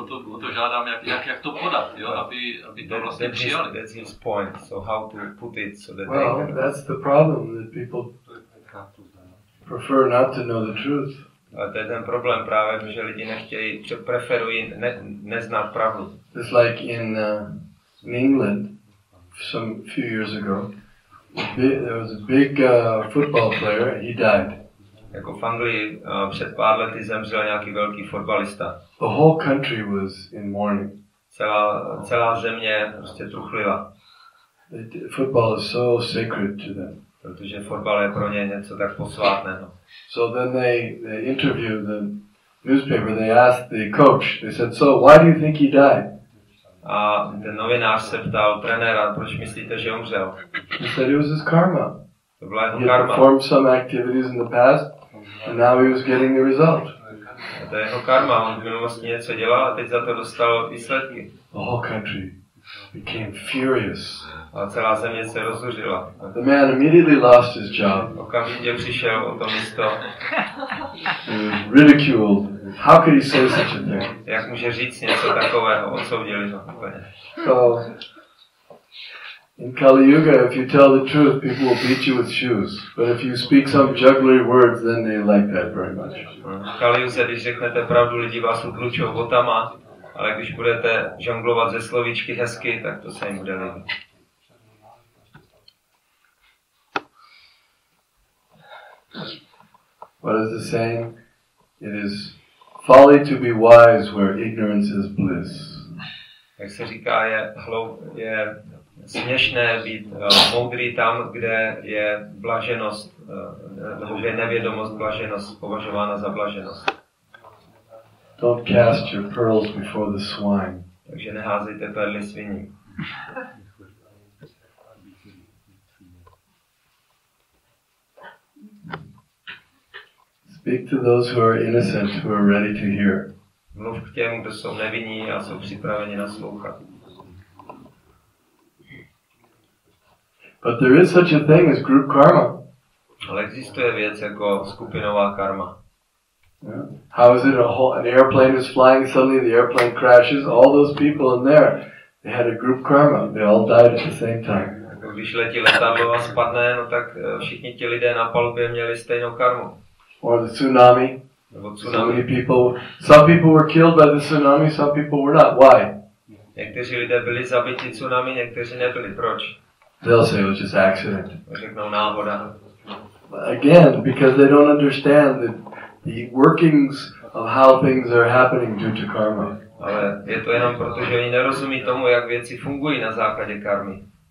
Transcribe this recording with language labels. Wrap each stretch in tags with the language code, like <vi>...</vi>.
<cs>O to žádám, jak to podat, jo, aby to vlastně přijali.</cs> <en>That's his point, so how to put it, so that well, that's the problem, that people prefer not to know the truth.</en> <cs>A to je ten problém právě, že lidi nechtějí, preferují neznat pravdu.</cs> <en>It's like in England, few years ago, there was a big football player. He died.</en> <cs>Jako v Anglii před pár lety zemřel nějaký velký fotbalista.</cs> <en>The whole country was in mourning.</en> <cs>Celá země prostě truchlila.</cs> <en>Football is so sacred to them.</en> <cs>Protože fotbal je pro ně něco tak posvátného.</cs> <en>So then they interviewed the newspaper. They asked the coach. They said, "So why do you think he died?"</en> <cs>A ten novinář se ptal trenéra, proč myslíte, že umřel?</cs> <en>He said it was his karma.</en> <cs>To byla jeho karma.</cs> <en>He performed some activities in the past, and now he was getting the result.</en> <cs>A to je jeho karma, on v minulosti něco dělal a teď za to dostal výsledky.</cs> <en>The whole country became furious.</en> <cs>A celá země se rozhořila.</cs> <en>The man immediately lost his job.</en> <cs>Okamžitě přišel o to místo.</cs> <en>Ridiculed. How could he say such a thing?</en> <cs>Jak může říct něco takového? Odsoudili ho.</cs> <en>So, in Kali Yuga, if you tell the truth, people will beat you with shoes. But if you speak some jugglery words, then they like that very much.</en> <cs>Kali Yuga, když řeknete pravdu, lidi vás utlučou botama, ale když budete žonglovat ze slovíčky hezky, tak to se jim bude líbit.</cs> <en>What is the saying? It is folly to be wise where ignorance is bliss.</en> <cs>Jak se říká, je směšné být moudrý tam, kde je blaženost, nebo kde je nevědomost blaženost považována za blaženost.</cs> <en>Don't cast your pearls before the swine.</en> <cs>Takže neházejte perly sviní.</cs> <en>Speak to those who are innocent, who are ready to hear.</en> <cs>Mluv k těm, kdo jsou nevinní a jsou připraveni naslouchat.</cs> <en>But there is such a thing as group karma.</en> <cs>Ale existuje věc jako skupinová karma.</cs> <en>Yeah. How is it an airplane is flying, suddenly the airplane crashes, all those people in there, they had a group karma, they all died at the same time.</en> <cs>Když letí letadlo a spadne, no tak všichni ti lidé na palubě měli stejnou karmu.</cs> <en>Or the tsunami.</en> <cs>Tsunami.</cs> <en>Some people were killed by the tsunami, some people were not. Why?</en> <cs>Někteří lidé byli zabiti tsunami, někteří nebyli. Proč?</cs> <en>They'll say it was just accident.</en> <cs>Řeknou náhoda.</cs> <en>Again, because they don't understand the workings of how things are happening due to karma.</en> <cs>Ale je to jenom proto, že oni nerozumí tomu, jak věci fungují na základě karmy.</cs>